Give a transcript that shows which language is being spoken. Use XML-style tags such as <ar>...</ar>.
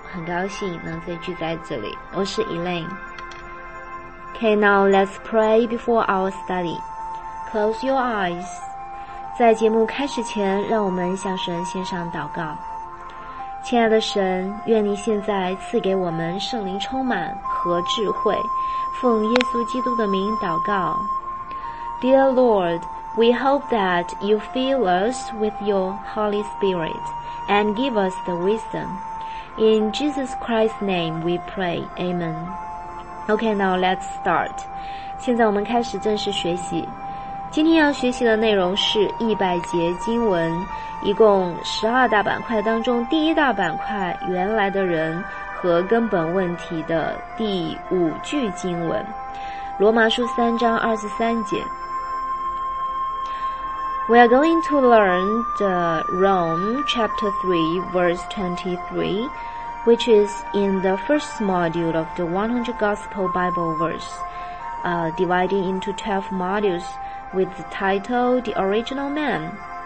<zh>很高兴能再聚在这里。我是</zh> <en>Elaine. Okay, now let's pray before our study. Close your eyes.</en> <zh>在节目开始前，让我们向神献上祷告。亲爱的神，愿你现在赐给我们圣灵充满和智慧。奉耶稣基督的名祷告。</zh> <en>Dear Lord, we hope that you fill us with your Holy Spirit and give us the wisdom. In Jesus Christ's name we pray. Amen. Okay, now let's start.</en> <zh>现在我们开始正式学习。今天要学习的内容是100节经文，一共12大板块当中第一大板块原来的人和根本问题的第五句经文，罗马书3:23。</zh> <en>We are going to learn the Rome chapter 3 verse 23, which is in the first module of the 100 Gospel Bible verse, dividing into 12 modulesWith the title, The Original Man.</en>